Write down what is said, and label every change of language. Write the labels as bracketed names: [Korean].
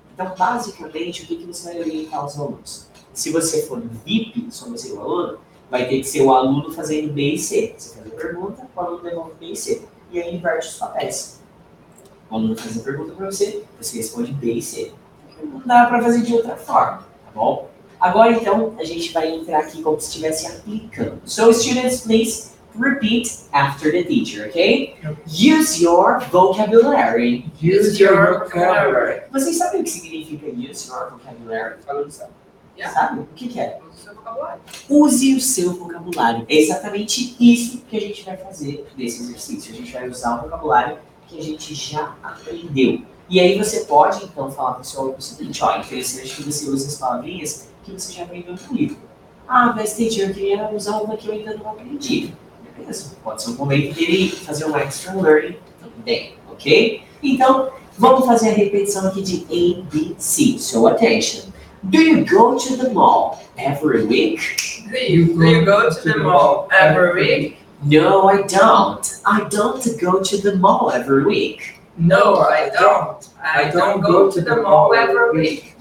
[Portuguese] Então, basicamente, o que você vai orientar os alunos? Se você for VIP, só você e o aluno, vai ter que ser o aluno fazendo B e C. Você faz a pergunta, o aluno devolve B e C. E aí inverte os papéis. O aluno faz a pergunta para você, você responde B e C. Não dá para fazer de outra forma, tá bom? Agora, então, a gente vai entrar aqui como se estivesse aplicando. [English] So, students, please repeat after the teacher, ok? Use your vocabulary. Use your vocabulary. [Portuguese] Vocês sabem o que significa [English] use your vocabulary? Yeah. [Portuguese] Sabe? O que é? Use o seu vocabulário. Use o seu vocabulário. É exatamente isso que a gente vai fazer nesse exercício. A gente vai usar o vocabulário que a gente já aprendeu. E aí você pode, então, falar para o seu aluno o seguinte, ó, interessante que você use as palavrinhas que você já aprendeu no livro. Ah, mas teacher, eu queria usar uma que eu ainda não aprendi. Beleza, pode ser um momento dele fazer um extra learning também, ok? Então, vamos fazer a repetição aqui de A, B, C. [English] So, attention. Do you go to the mall every week? Do you go to the mall every week? No, I don't. I don't go to the mall every week. No, I don't. I don't go to the mall every week.